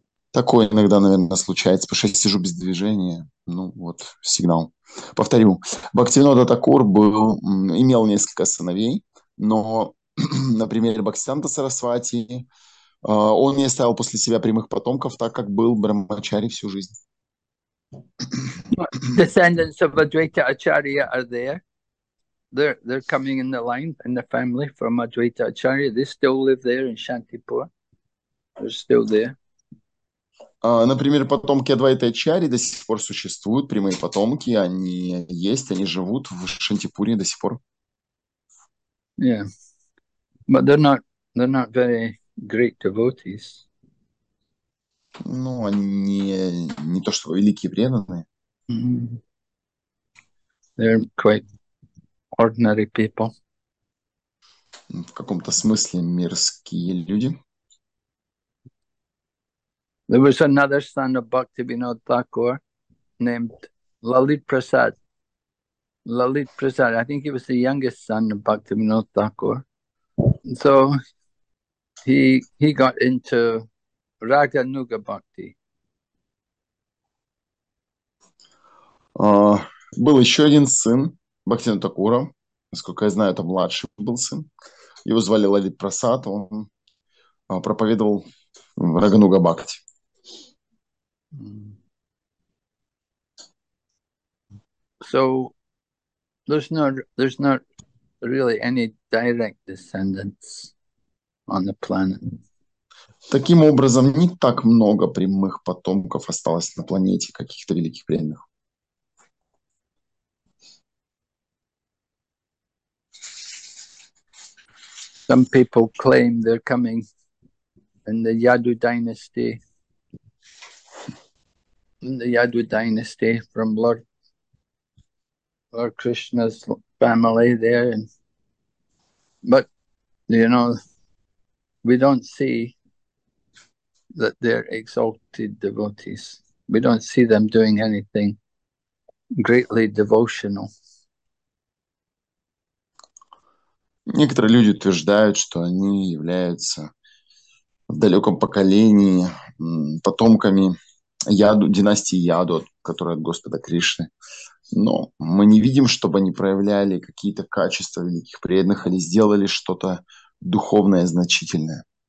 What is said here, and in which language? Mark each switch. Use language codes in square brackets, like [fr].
[ru] Такое иногда, наверное, случается, потому что я сижу без движения. Ну вот, сигнал. Повторю, Бхактивинода Такур имел несколько сыновей, но, например, Бхактисиддханта Сарасвати, он не оставил после себя прямых потомков, так как был брахмачари всю жизнь. [en] Descendants of Advaita Acharya are there. They're coming in the line, in the family from Advaita Acharya. They still live there in Shantipur. They're still there. [ru] Например, потомки Адвайта Ачарьи до сих пор существуют, прямые потомки, они есть, они живут в Шантипуре до сих пор. [en] Yeah. But they're not very great devotees. [ru] Ну, они не то что великие преданные. [en] Mm-hmm. They're quite ordinary people. [ru] В каком-то смысле мирские люди. [en] There was another son of Bhaktivinoda Thakur named Lalit Prasad. Lalit Prasad, I think he was the youngest son of Bhaktivinoda Thakur. So he got into Raganuga Bhakti. [ru] Был еще один сын, Бхактина Такура, насколько я знаю, это младший был сын. Его звали Лалит Прасад, он проповедовал Рагануга Бхакти. [en] So there's not really any direct descendants on the planet. [ru] Таким образом, не так много прямых потомков осталось на планете каких-то великих преданных. [en] Some people claim they're coming in the Yadu dynasty. In the Yadu dynasty from Lord Krishna's family there, and but we don't see that they're exalted devotees. We don't see them doing anything greatly devotional. [ru] Некоторые люди утверждают, что они являются в далеком поколении потомками Яду, династии Яду, которая от Господа Кришны. Но мы не видим, чтобы они проявляли какие-то качества великих преданных или сделали что-то духовное значительное.